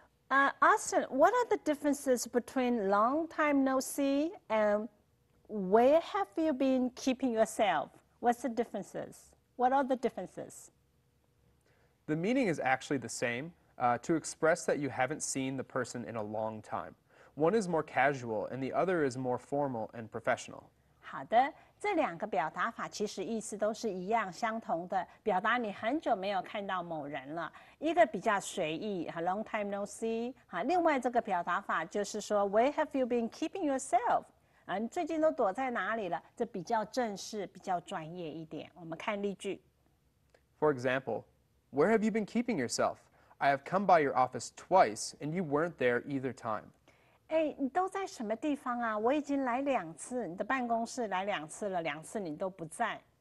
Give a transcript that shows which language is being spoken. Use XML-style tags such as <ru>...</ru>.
<en>Austin, what are the differences between long time no see and where have you been keeping yourself? What's the differences? What are the differences? The meaning is actually the same, to express that you haven't seen the person in a long time. One is more casual, and the other is more formal and professional.</en> <zh>好的，这两个表达法其实意思都是一样相同的，表达你很久没有看到某人了。一个比较随意 ，</zh> <en>long time no see，</en> <zh>哈。另外这个表达法就是说 ，</zh> <en>where have you been keeping yourself？</en> <zh>你最近都躲在哪里了？这比较正式，比较专业一点。我们看例句。</zh> <en>For example, where have you been keeping yourself? I have come by your office twice, and you weren't there either time.</en> <zh>哎，你都在什么地方啊？我已经来两次，你的办公室来两次了，两次你都不在。</zh>